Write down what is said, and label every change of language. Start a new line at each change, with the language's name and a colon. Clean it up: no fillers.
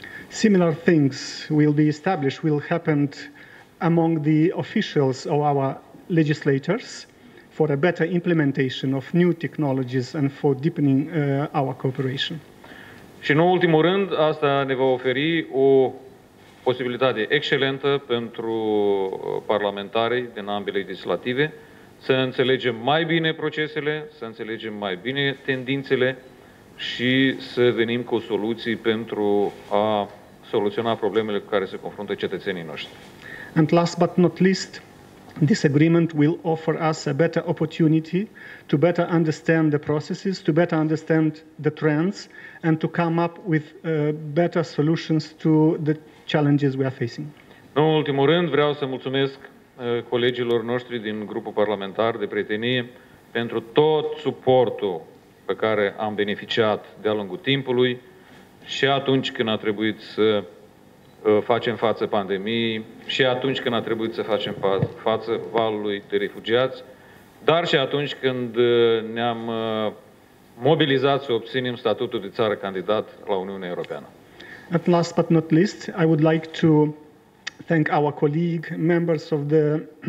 English: Similar things will be established, will happen among the officials of our legislators for a better implementation of new technologies and for deepening our cooperation.
Romanian: Și în ultimul rând, asta ne va oferi o posibilitate excelentă pentru parlamentarii din ambele legislative să înțelegem mai bine procesele, să înțelegem mai bine tendințele și să venim cu soluții pentru a soluționa problemele cu care se confruntă cetățenii noștri.
English: And last but not least, this agreement will offer us a better opportunity to better understand the processes, to better understand the trends, and to come up with better solutions to the challenges we are facing.
Romanian: În ultimul rând, vreau să mulțumesc colegilor noștri din grupul parlamentar de prietenie pentru tot suportul pe care am beneficiat de-a lungul timpului și atunci când a trebuit să facem față pandemiei și atunci când a trebuit să facem față valului de refugiați, dar și atunci când ne-am mobilizat să obținem statutul de țară candidat la Uniunea Europeană.
English: At last but not least, I would like to thank our colleague, members of the